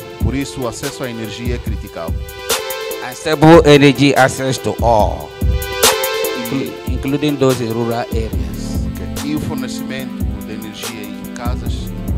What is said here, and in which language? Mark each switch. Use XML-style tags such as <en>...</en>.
<pt>Por isso, o acesso à energia é critical.</pt> <en>And stable energy access to all, including those in rural areas.</en> <pt>Okay. E o fornecimento de energia em casas.</pt>